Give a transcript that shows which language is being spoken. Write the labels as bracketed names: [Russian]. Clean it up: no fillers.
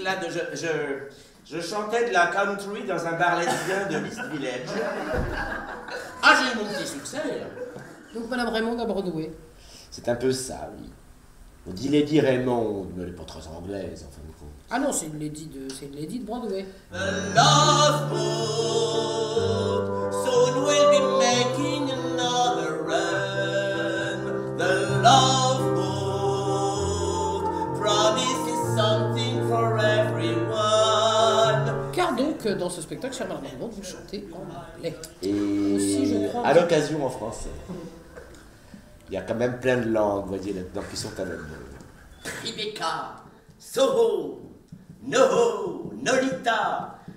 [French] Là, je chantais de la country dans un bar lesbien de East Village. Ah, j'ai eu mon petit succès. Donc Madame Raymond a Broadway. C'est un peu ça, oui. On dit Lady Raymond, mais elle n'est pas très anglaise, en fin de compte. Ah non, c'est une lady de Broadway. [English] A love boat, soon we'll be making another run. The love boat promises something for everyone. [French] Car donc, dans ce spectacle, Charles Raymond, vous chantez en anglais. Et aussi, je crois, à l'occasion en français. Il y a quand même plein de langues, vous voyez, là-dedans, qui sont à même. Tribeca, Soho, Noho, Nolita.